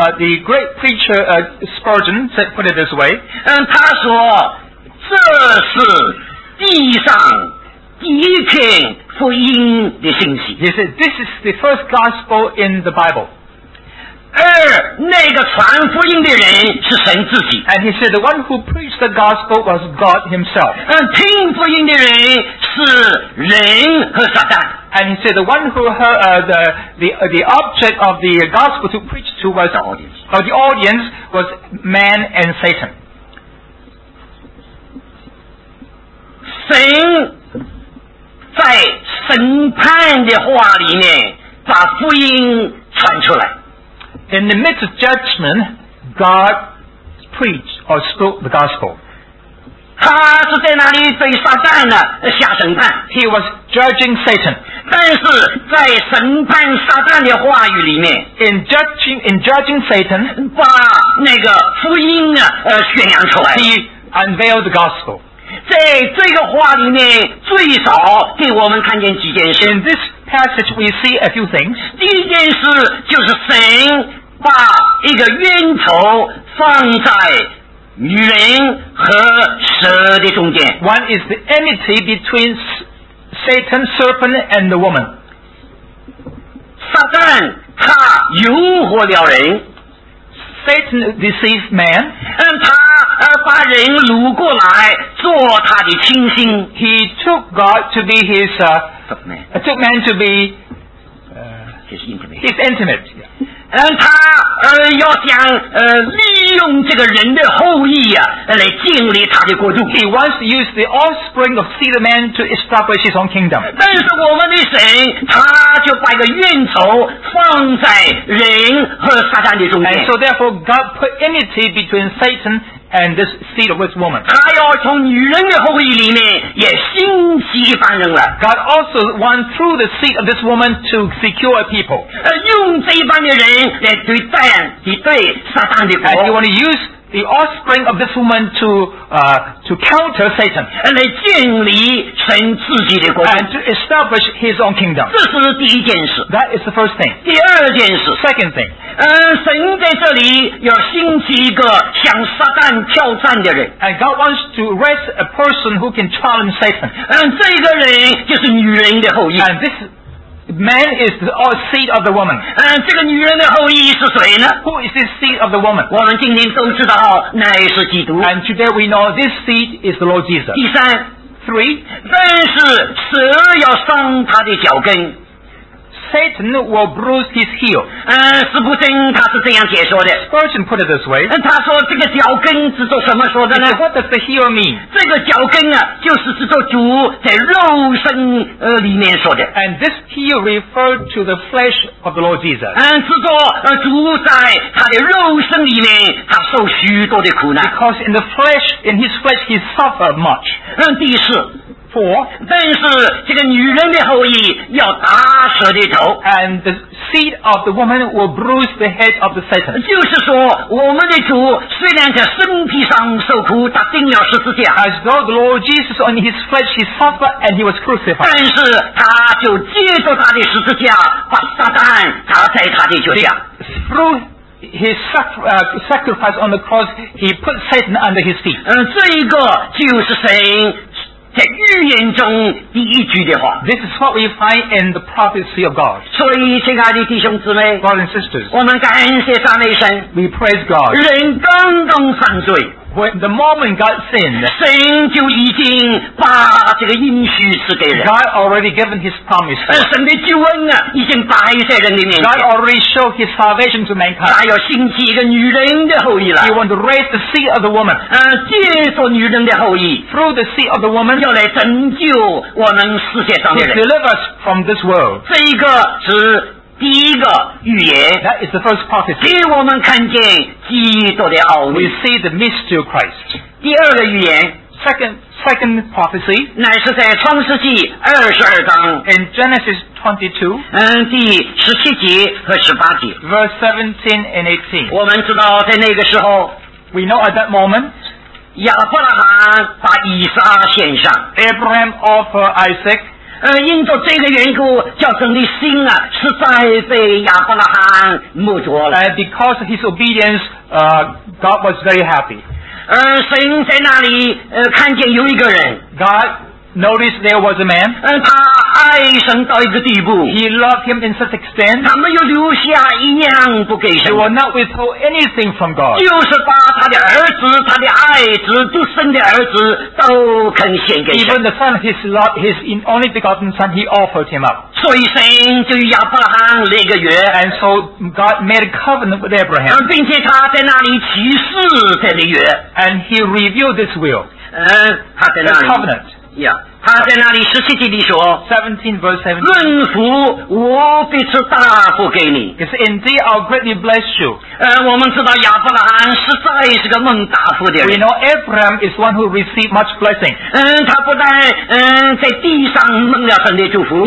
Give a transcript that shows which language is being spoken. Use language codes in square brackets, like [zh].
[en] The great preacher Spurgeon said, put it this way. [zh] 他说这是地上第一篇福音的信息。 [en] He said, this is the first gospel in the Bible. [zh] 而那个传福音的人是神自己。 [en] And he said, the one who preached the gospel was God himself. [zh] 听福音的人是人和撒旦。 [en] And he said, the one who heard, the object of the gospel to preach to was the audience. Or the audience was man and Satan. [zh] 神在审判的话里面把福音传出来。 [en] In the midst of judgment, God preached or spoke the gospel. [zh] 他是在那里对撒旦呢下审判。 [en] He was judging Satan. [zh] 但是在审判撒旦的话语里面 [en] ，in judging Satan, [zh] 把那个福音呢宣扬出来。 [en] He unveiled the gospel. [zh] 在这个话里面，最少给我们看见几件事。 [en] In this passage, we see a few things. [zh] 第一件事就是神。把一个冤仇放在女人和蛇的中间。 [en] One is the enmity between Satan, serpent, and the woman. [zh] 撒旦他诱惑了人。 [en] Satan deceived man. [zh] 他把人掳过来做他的亲信。 [en] He took God to be his, took man to be, his intimate. His intimate. [zh] 他要想利用这个人的后裔啊来建立他的国度。 [en] He wants to use the offspring of seed man to establish his own kingdom. [zh] 但是我们的神他就把一个怨仇放在人和撒旦的中间。 [en] And so therefore God put enmity between Satan and this seed of this woman. [zh] 他要从女人的后裔里面也兴起一帮人了。 [en] God also wants through the seed of this woman to secure a people. [zh] 用这一帮的人来对战敌对撒旦的国。 [en] And you want to use the offspring of this woman to counter Satan. [zh] 来建立神自己的国。 [en] And to establish his own kingdom. [zh] 这是第一件事。 [en] That is the first thing. [zh] 第二件事。 [en] Second thing. [zh] 神在这里要兴起一个向撒旦挑战的人。 [en] And God wants to raise a person who can challenge Satan. [zh] 这个人就是女人的后裔。 [en] And this man is the seed of the woman. [zh] 这个女人的后裔是谁呢？ [en] Who is this seed of the woman? [zh] 我们今天都知道乃是基督。 [en] And today we know this seed is the Lord Jesus. [zh] 第三。 [en] Three. [zh] 但是蛇要伤他的脚跟。 [en] Satan will bruise his heel. [zh] 斯布森他是这样解说的。 [en] Spurgeon put it this way. [zh] 他说这个脚跟是做什么说的呢？ [en] What does the heel mean? [zh] 这个脚跟啊，就是指着主在肉身里面说的。 [en] And this heel referred to the flesh of the Lord Jesus. [zh] 指着主在他的肉身里面，他受许多的苦难。 [en] Because in the flesh, in his flesh, he suffered much. [zh] 第四。 [en] Four, [zh] 但是这个女人的后裔要打蛇的头 [en] and the seed of the woman will bruise the head of the Satan. [zh] 就是说我们的主虽然在身体上受苦他定要十字架 [en] as though the Lord Jesus on his flesh he suffered and he was crucified. [zh] 但是他就借着他的十字架把撒旦砸在他的脚下 [en] through his sacrifice on the cross he put Satan under his feet. [zh] 这一个就是神在预言中第一句的话 [en] This is what we find in the prophecy of God [zh] 所以亲爱的弟兄姊妹 [en] Brothers and sisters [zh] 我们感谢赞美神 [en] We praise God [zh] 人刚刚犯罪 [en] When the moment God sinned [zh] 神就已经把这个应许赐给人 [en] God already given his promise [zh] 神的救恩啊已经摆在人里面 [en] God already showed his salvation to mankind [zh] 他要兴起一个女人的后裔了 [en] He want to raise the seed of the woman [zh] 借着女人的后裔 [en] Through the seed of the woman [zh] 要来拯救我们世界上的人 [en] to deliver us from this world [zh] 这一个是第一个预言 [en] that is the first prophecy [zh] 给我们看见基督的奥秘 [en] we see the mystery of Christ [zh] 第二个预言 [en] second prophecy [zh] 乃是在创世纪二十二章 [en] in Genesis 22 [zh] 第十七节和十八节 [en] verse 17 and 18 [zh] 我们知道在那个时候 [en] we know at that moment [zh] 亚伯拉罕把以撒献上 [en] Abraham offered Isaac [zh] 因着这个缘故叫神的心啊实在被亚伯拉罕目着了 [en] And because of his obedience God was very happy [zh] 神在那里看见有一个人 [en] GodNotice there was a man. [zh] 他爱神到一个地步。 [en] He loved him in such extent. [zh] 他没有留下一样不给神。 [en] He will not withhold anything from God. [zh] 就是把他的儿子、他的爱子、独生的儿子都肯献给神。 [en] Even the son, his only begotten son, he offered him up. [zh] 所以神就亚伯拉罕立个约。 [en] And so God made a covenant with Abraham. [zh] 并且他在那里起誓这个约。 [en] And he revealed this will. [zh] 他在那里。 [en] The covenant. [zh] Yeah, 他在那里十七节里说 [en] 17:17 [zh] 论福我必赐大福给你 [en] Because indeed I'll greatly bless you [zh] 我们知道亚伯拉罕实在是个蒙大福的人 [en] We know Abraham is one who received much blessing [zh] 他不但在地上蒙了神的祝福